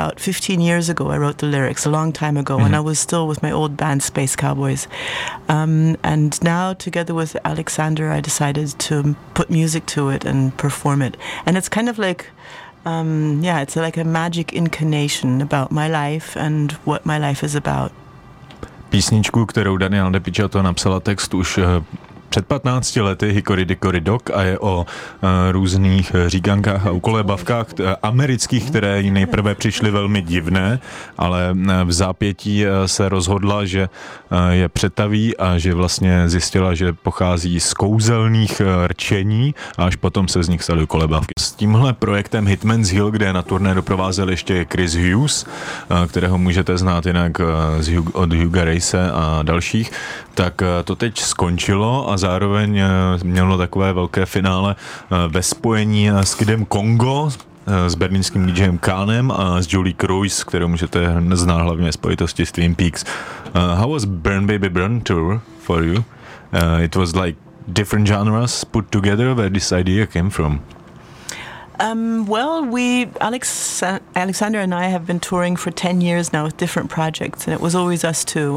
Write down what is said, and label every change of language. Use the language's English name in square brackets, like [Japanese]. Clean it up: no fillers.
[English] About 15 years ago, I wrote the lyrics, a long time ago, mm-hmm. when I was still with my old band, Space Cowboys. And now, together with Alexander, I decided to put music to it and perform it. And it's kind of like, it's like a magic incantation about my life and what my life is about. [Czech] Písničku, kterou Daniel DePicciotto napsala text už před 15 lety, Hickory Dickory Dock, a je o různých říkankách a ukolébavkách amerických, které jí nejprve přišly velmi divné, ale v zápětí se rozhodla, že je přetaví a že vlastně zjistila, že pochází z kouzelných rčení, a až potom se z nich staly ukolébavky. S tímhle projektem Hitman's Heel, kde na turné doprovázel ještě Chris Hughes, kterého můžete znát jinak od Hugha Race a dalších, tak to teď skončilo a zároveň mělo takové velké finále ve spojení s Kidem Kongo, s berlínským DJem Kahnem a s Julie Cruise, kterou můžete znát hlavně v spojitosti s Twin Peaks. [English] How was Burn Baby Burn Tour for you? It was like different genres put together. Where this idea came from? Well, we Alexander and I have been touring for 10 years now with different projects, and it was always us two.